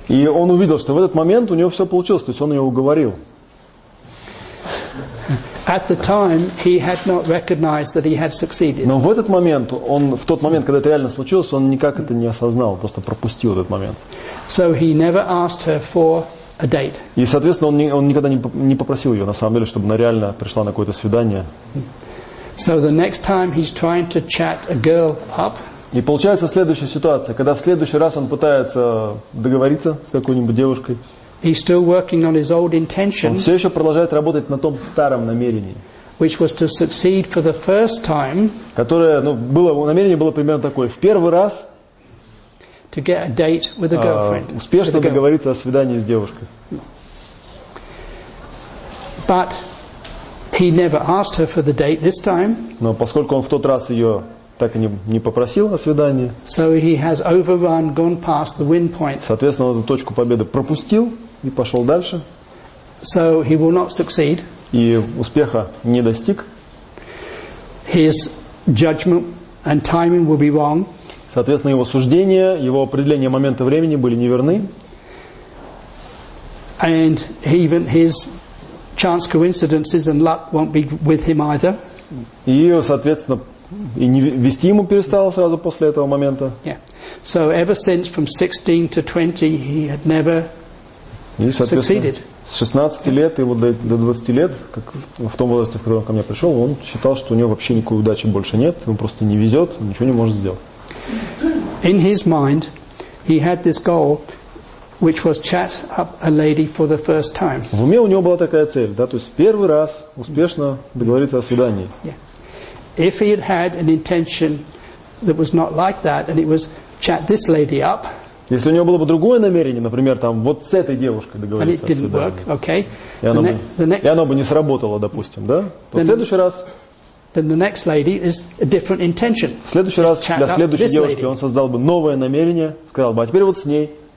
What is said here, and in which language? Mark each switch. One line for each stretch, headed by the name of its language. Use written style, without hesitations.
Russian: И он увидел, что в этот момент у него все получилось, то есть он ее уговорил.
English: At the time, he had not recognized that he had succeeded.
Russian: Но в этот момент, он в тот момент, когда это реально случилось, он никак это не осознал, просто пропустил этот момент.
English: So he never asked her for a date.
Russian: И, соответственно, он никогда не попросил ее, на самом деле, чтобы она реально пришла на какое-то свидание.
English: So the next time he's trying to chat a girl up.
Russian: И получается следующая ситуация, когда в следующий раз он пытается договориться с какой-нибудь девушкой.
English: He's still working on his old intention.
Russian: Он все еще продолжает работать на том старом намерении.
English: Which was to succeed for the first time.
Russian: Которое, ну, было, намерение было примерно такое: в первый раз.
English: To get a date with a girlfriend.
Russian: Успешно договориться о свидании с девушкой.
English: But he never asked her for the date this time.
Russian: Но поскольку он в тот раз ее так и не попросил о свидании.
English: So he has overrun, gone past the win point.
Russian: Соответственно, он эту точку победы пропустил и пошел дальше.
English: So he will not succeed.
Russian: И успеха не достиг.
English: His judgment and timing will be wrong.
Russian: Соответственно, его суждения, его определения момента времени были неверны.
English: And even his chance coincidences and luck won't be with him either.
Russian: И, соответственно, и не вести ему перестало сразу после этого момента.
English: Yeah. So ever since from 16 to 20 he had never succeeded.
Russian: С 16 лет и вот до 20 лет, как в том возрасте, в котором он ко мне пришел, он считал, что у него вообще никакой удачи больше нет, ему просто не везет, он ничего не может сделать.
English: In his mind he had this goal, which was chat up a lady for the first time.
Russian: В уме у него была такая цель, да, то есть первый раз успешно договориться о свидании.
English: Yeah. If he had had an intention that was not like that, and it was chat this lady up.
Russian: Если у него было бы другое намерение, например, там вот с этой девушкой договориться.
English: And it didn't work, okay.
Russian: И оно бы не сработало, допустим, да? То в следующий раз.
English: Then the next lady is a different intention.
Russian: В следующий раз для следующей девушки он создал бы новое намерение, сказал бы: а теперь вот с ней.